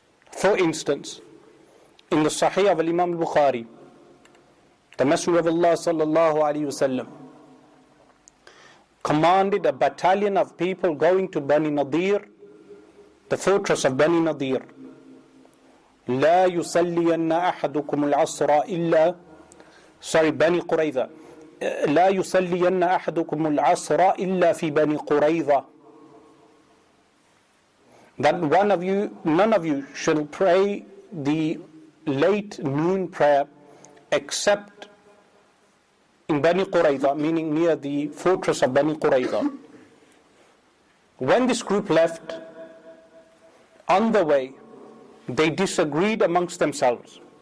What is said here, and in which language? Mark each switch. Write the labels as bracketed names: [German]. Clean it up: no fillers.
[English] For instance, in the Sahih of Imam al-Bukhari, the Messenger of Allah sallallahu alaihi wasallam commanded a battalion of people going to Bani Nadir, the fortress of Bani Nadir. [Arabic] لا يصلين أحدكم العصر إلا [English] sorry [Arabic] Bani Qurayza. لا يصلين أحدكم العصر إلا في Bani Qurayza. [English] That one of you, none of you, shall pray the late noon prayer except in Bani Qurayza, meaning near the fortress of Bani Qurayza. When this group left, on the way, they disagreed amongst themselves.